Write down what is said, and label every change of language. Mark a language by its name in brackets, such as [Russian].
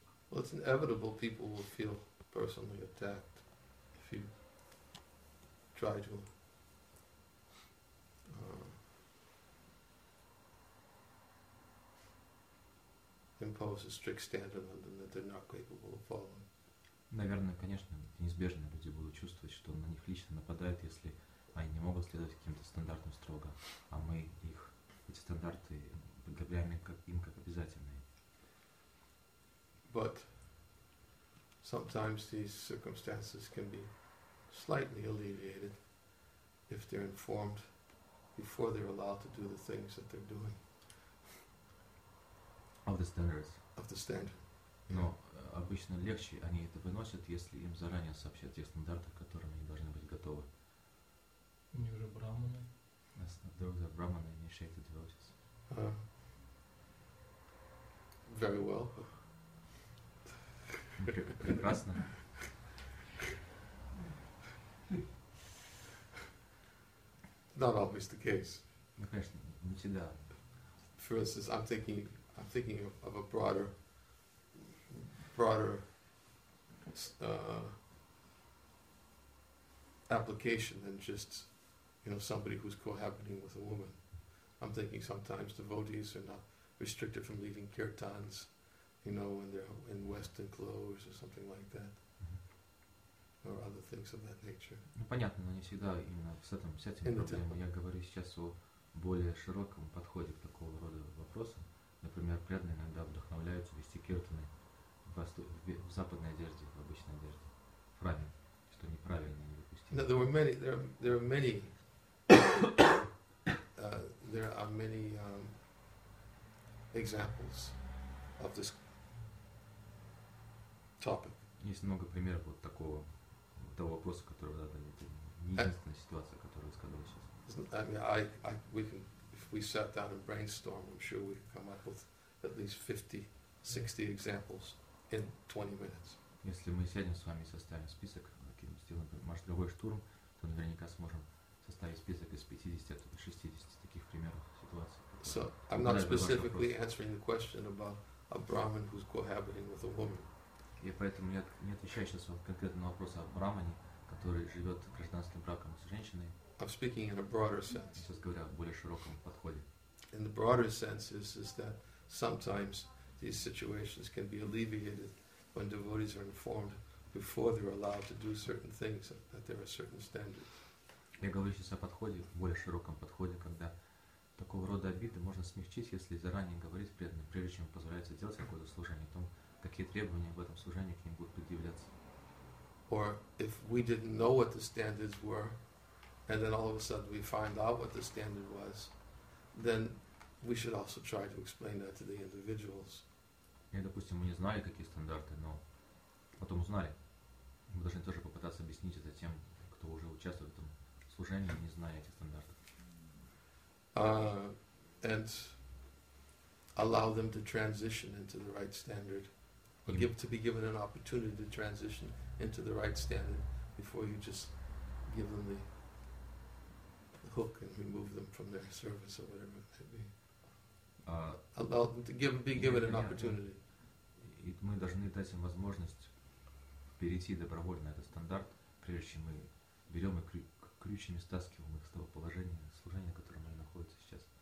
[English] Well, it's inevitable people will feel personally attacked if you try to impose a strict standard on them that they're not capable of following. [Russian] Наверное, конечно, неизбежно люди будут чувствовать, что на них лично нападают, если они не могут следовать каким-то стандартам строго, а мы их, эти стандарты, предъявляем им как обязательные. [English] But sometimes these circumstances can be slightly alleviated if they're informed before they're allowed to do the things that they're doing. Of the standards. Of the standard. [Russian] Но обычно легче они это выносят, если им заранее сообщают те стандарты, к которым они должны быть готовы. Они уже брахманы. [English] Those are brahmana initiated devotees. Very well. [Russian] Прекрасно. [English] Not always the case. [Russian] Ну, конечно, не всегда. [English] For instance, I'm thinking of a broader application than just, you know, somebody who's cohabiting with a woman. I'm thinking sometimes devotees are not restricted from leaving kirtans, you know, when they're in Western clothes or something like that, or other things of that nature. [Russian] Ну понятно, но не всегда именно с этим проблемой. Я говорю сейчас о более широком подходе к такого рода вопросам. Например, преданные иногда вдохновляются вести киртаны в западной одежде, в обычной одежде, в храме, что неправильно, не допустимо. [English] No, there are many. There are many examples of this topic. [Russian] Есть много примеров вот такого того вопроса, который задали. Это не единственная ситуация, которая сказала сейчас. [English] If we sat down and brainstorm, I'm sure we could come up with at least 50, 60 examples in 20 minutes. [Russian] Если мы сядем с вами и составим список, каким сделаем, может, любой штурм, то наверняка сможем составить список из 50 или 60 таких примеров ситуаций. [English] So I'm not specifically answering the question about a Brahmin who's cohabiting with a woman. [Russian] И поэтому я не отвечаю сейчас вот конкретно на вопрос о брахмане, который живет гражданским браком с женщиной. [English] I'm speaking in a broader sense. [Russian] Сейчас говоря в более широком подходе. [English] In the broader sense is that sometimes these situations can be alleviated when devotees are informed before they're allowed to do certain things that there are certain standards. [Russian] Я говорю сейчас о подходе, в более широком подходе, когда такого рода обиды можно смягчить, если заранее говорить преданным, прежде чем позволяется делать какое-то служение, о том, какие требования в этом служении к ним будут предъявляться. [English] Or if we didn't know what the standards were, and then all of a sudden we find out what the standard was, then we should also try to explain that to the individuals. [Russian] Я, допустим, мы не знали, какие стандарты, но потом узнали. Мы должны тоже попытаться объяснить это тем, кто уже участвует в этом служении, не зная этих стандартов. [English] And allow them to transition into the right standard, or give to be given an opportunity to transition into the right standard before you just give them the hook and remove them from their service or whatever it may be. Allow them to be given an opportunity. [Russian] И мы должны дать им возможность перейти добровольно этот стандарт, прежде чем мы берем и крючьями стаскиваем их с того положения служения, в котором они находятся сейчас.